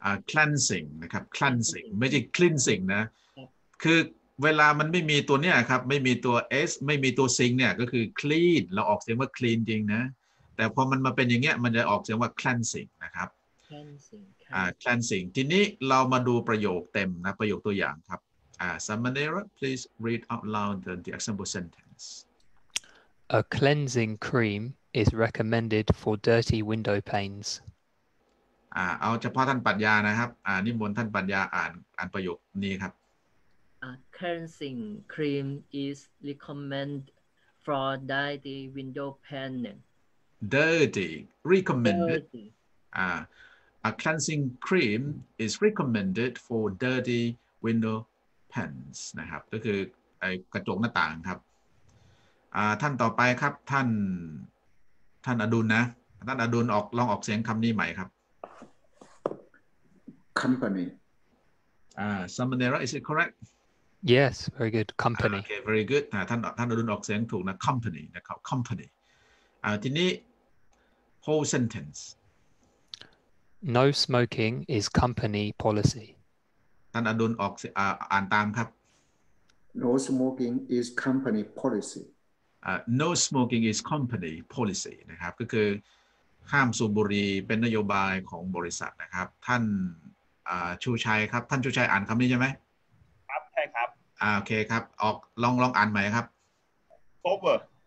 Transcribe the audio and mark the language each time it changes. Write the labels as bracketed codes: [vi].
[th] Cleansing นะครับ cleansing ไม่ใช่ cleansing นะคือเวลามันไม่มีตัวเนี้ยครับไม่มีตัว s ไม่มีตัว sing เนี่ยก็คือ clean เราออกเสียงว่า clean จริงนะแต่พอมันมาเป็นอย่างเงี้ยมันจะออกเสียงว่า cleansing นะครับ [en] cleansing [th] cleansing ทีนี้เรามาดูประโยคเต็มนะประโยคตัวอย่างครับSamanera [en] please read out loud the example sentence A cleansing cream is recommended for dirty window panes [th] เอาเฉพาะท่านปัญญานะครับนิมนต์ท่านปัญญาอ่านประโยคนี้ครับ [en] A cleansing cream is recommended for dirty window panes Dirty, recommended. A cleansing cream is recommended for dirty window panes. [th] นะครับก็คือไอ้กระจกหน้าต่างครับท่านต่อไปครับท่านอดุลนะท่านอดุลออกลองออกเสียงคำนี้ใหม่ครับ [en] Company. Samanera, is it correct? Yes, very good. Company. Okay, very good. [th] ท่านโดนออกเสียงถูกนะ company นะครับ company. ทีนี้ [en] whole sentence. No smoking is company policy. [th] ท่านอดุลออกอ่านตามครับ. [en] No smoking is company policy. No smoking is company policy [th] นะครับ ก็คือห้ามสูบบุหรี่เป็นนโยบายของบริษัทนะครับ ท่านชูชัยครับ ท่านชูชัยอ่านคำนี้ใช่ไหม ครับใช่ครับ โอเคครับ ออกลองอ่านใหม่ครับ [en] Cover